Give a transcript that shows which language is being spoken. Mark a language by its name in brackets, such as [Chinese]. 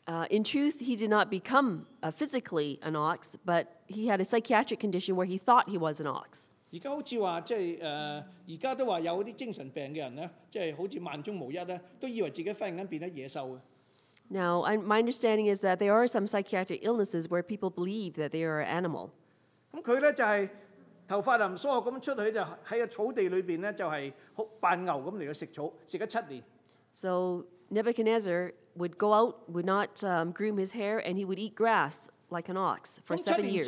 [English] In truth, he did not become physically an ox, but he had a psychiatric condition where he thought he was an ox. [Chinese] 現在都說有些精神病的人,好像萬中無一,都以為自己忽然變成野獸。 [English] Now, my understanding is that there are some psychiatric illnesses where people believe that they are an animal. [Chinese] 頭髮淋疏地出去,在草地裏扮牛來吃草,吃了7年。 [English] So Nebuchadnezzar would go out, would not groom his hair, and he would eat grass like an ox for 7 years.